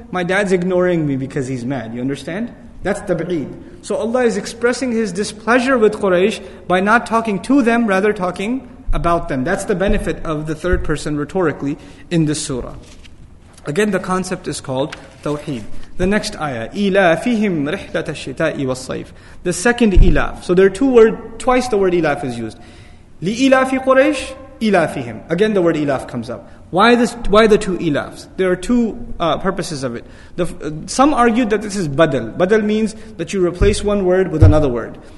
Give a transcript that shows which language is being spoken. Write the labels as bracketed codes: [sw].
[en] My dad's ignoring me because he's mad. You understand? That's tab'id. So Allah is expressing His displeasure with Quraysh by not talking to them, rather talking about them. That's the benefit of the third person rhetorically in this surah. Again, the concept is called tawheed. The next ayah, [ar] إِلَافِهِمْ رِحْلَةَ الشِّتَاءِ وَالصَّيْفِ. [en] The second إِلَاف. So there are twice the word إِلَاف is used. [ar] لِإِلَافِ قُرَيْشِ إِلَافِهِمْ. [en] Again, the word إِلَاف comes up. Why the two ilafs? There are two purposes of it. Some argued that this is badal. Badal means that you replace one word with another word.